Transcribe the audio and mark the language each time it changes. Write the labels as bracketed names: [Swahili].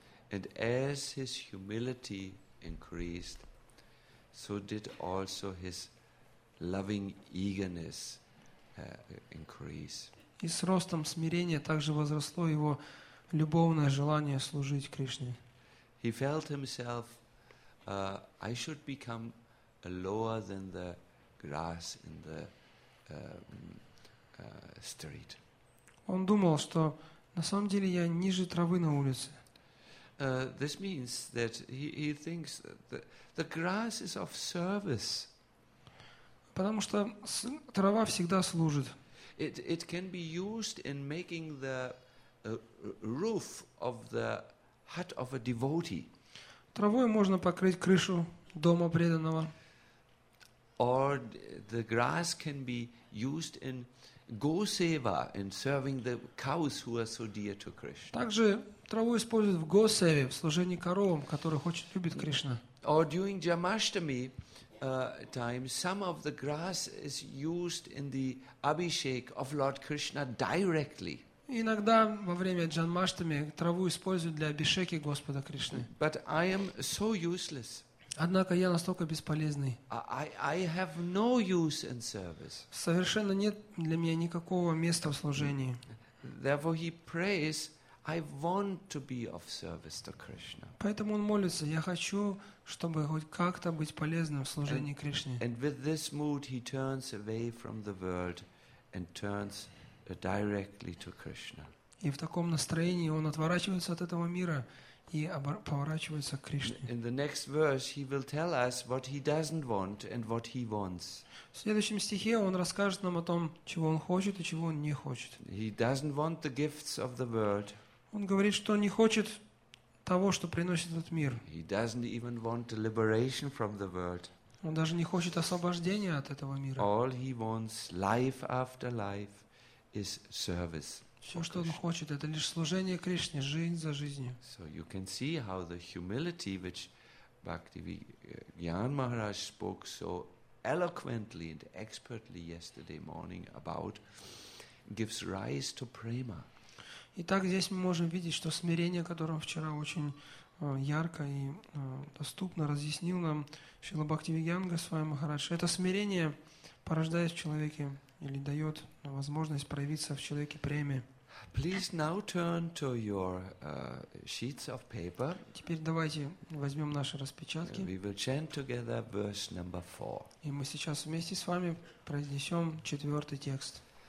[English] And as his humility increased, so did also his loving eagerness increase. [Russian] И с ростом смирения также возросло его любовное желание служить Кришне. [English] He felt himself, I should become lower than the grass in the street. [Russian] Он думал, что на самом деле я ниже травы на улице. [English] This means that he thinks that the grass is of service. [Russian] Потому что трава всегда служит. [English] It can be used in making the roof of the hut of a devotee. [Russian] Травой можно покрыть крышу дома преданного. [English] Or the grass can be used in go-seva, in serving the cows who are so dear to Krishna. [Russian] Также траву используют в госеве, в служении коровам, которых очень любит Кришна. [English] Or during Jamashtami time, some of the grass is used in the abhishek of Lord Krishna directly. [Russian] Иногда во время Джанмаштами траву используют для абишеки Господа Кришны. [English] But I am so useless. [Russian] Однако я настолько бесполезный. [English] I have no use in service. [Russian] Совершенно нет для меня никакого места в служении. [English] Therefore he prays, I want to be of service to Krishna. [Russian] Поэтому он молится, я хочу, чтобы хоть как-то быть полезным в служении Кришне. [English] And with this mood he turns away from the world and turns directly to Krishna. [Russian] И в таком настроении он отворачивается от этого мира и поворачивается к Кришне. [English] In the next verse he will tell us what he doesn't want and what he wants. [Russian] В следующем стихе он расскажет нам о том, чего он хочет и чего он не хочет. [English] He doesn't want the gifts of the world. [Russian] Он говорит, что не хочет того, что приносит этот мир. [English] He doesn't even want liberation from the world. [Russian] Он даже не хочет освобождения от этого мира. [English] All he wants, life after life, is service. [Russian] Все, что он хочет, это лишь служение Кришне, жизнь за жизнью. [English] So you can see how the humility which Bhaktivedanta Maharaj spoke so eloquently and expertly yesterday morning about gives rise to prema. [Russian] Итак, здесь мы можем видеть, что смирение, которое вчера очень ярко и доступно разъяснил нам Шрила Бхактивиданта Госвами Махарадж, это смирение порождает в человеке или дает возможность проявиться в человеке преме. [English] Please now turn to your sheets of paper. [Russian] Теперь давайте возьмем наши распечатки. [English] We will chant together verse number 4. [Russian] И мы сейчас вместе с вами произнесем четвертый текст.